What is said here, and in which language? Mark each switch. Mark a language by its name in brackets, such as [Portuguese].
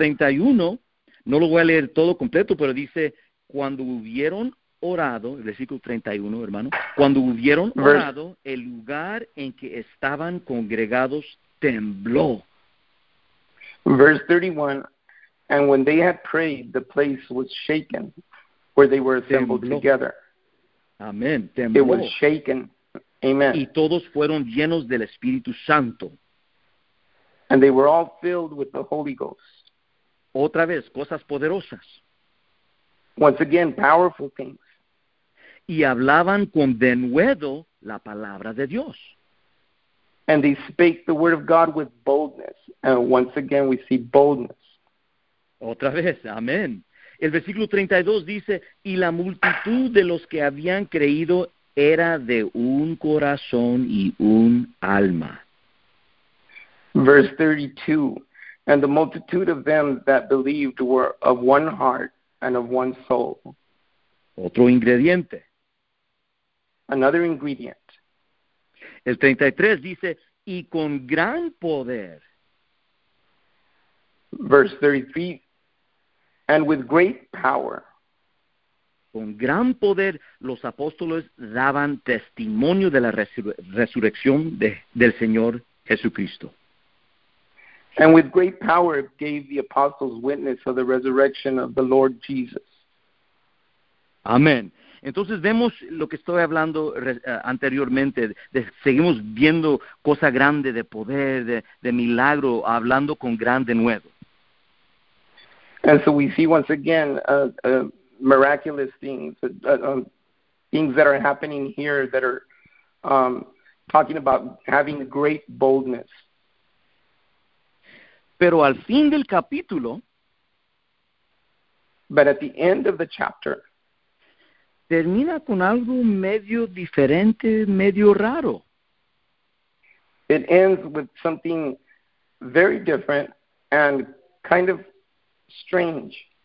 [Spanish] En el versículo 31, no lo voy a leer todo completo, pero dice, cuando hubieron orado, el versículo 31, hermano, cuando hubieron orado, el lugar en que estaban congregados tembló. [English] Verse 31, and when they had prayed, the place was shaken where they were assembled [Spanish] tembló. [English] Together. [Spanish] Amén, tembló. [English] It was shaken. Amen. [Spanish] Y todos fueron llenos del Espíritu Santo. [English] And they were all filled with the Holy Ghost. [Spanish] Otra vez, cosas poderosas. [English] Once again, powerful things. [Spanish] Y hablaban con denuedo la palabra de Dios. [English] And they spake the word of God with boldness. And once again, we see boldness. [Spanish] Otra vez, amén. El versículo 32 dice, y la multitud de los que habían creído era de un corazón y un alma. [English] Verse 32, and the multitude of them that believed were of one heart and of one soul. [Spanish] Otro ingrediente. [English] Another ingredient. [Spanish] El 33 dice, y con gran poder. [English] Verse 33, and with great power. [Spanish] Con gran poder, los apóstoles daban testimonio de la resurrección del Señor Jesucristo. [English] And with great power it gave the apostles witness of the resurrection of the Lord Jesus. [Spanish] Amén. Entonces vemos lo que estoy hablando anteriormente, seguimos viendo cosa grande de poder, de milagro, hablando con grande nuevo. [English] And so we see once again miraculous things, things that are happening here that are talking about having great boldness. [Spanish] Pero al fin del capítulo, [English] but at the end of the chapter, [Spanish] termina con algo medio diferente, medio raro. [English] It ends with something very different and kind of strange.